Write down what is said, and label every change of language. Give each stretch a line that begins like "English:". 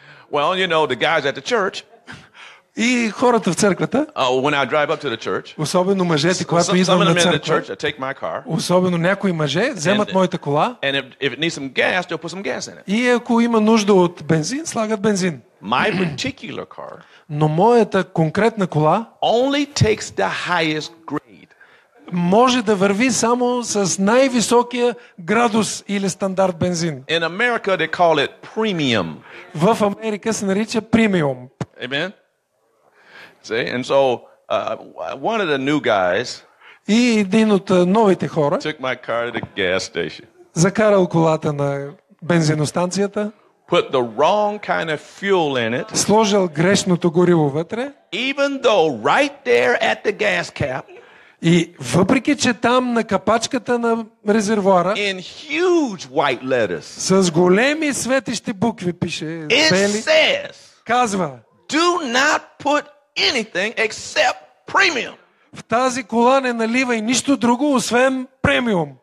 English: Well, you know, the guys at the church.
Bulgarian: И хората в църквата.
English: When I drive up to the church.
Bulgarian: Особено мъжете, когато идвам на църква.
English: Church, I take my car.
Bulgarian: Особено някои мъже вземат моята кола.
English: And if it needs some gas, they'll put some gas in it.
Bulgarian: И ако има нужда от бензин, слагат бензин.
English: My particular car.
Bulgarian: Но моята конкретна кола
English: only takes the highest grade.
Bulgarian: Може да върви само с най-високия градус или стандарт бензин.
English: In America they call it premium.
Bulgarian: В Америка се нарича премиум.
English: Amen. See? And so one of the new guys
Bulgarian: и един от новите хора
English: took my car to the gas station.
Bulgarian: Закарал колата на бензиностанцията.
English: Put the wrong kind of fuel in it.
Bulgarian: Сложил грешното гориво вътре.
English: Even though right there at the gas cap.
Bulgarian: И въпреки че там на капачката на резервоара
English: in huge white letters.
Bulgarian: С големи светещи букви пише бели.
English: It says.
Bulgarian: Казва:
English: Do not put anything except premium.
Bulgarian: В тази кола не налива и нищо друго освен премиум.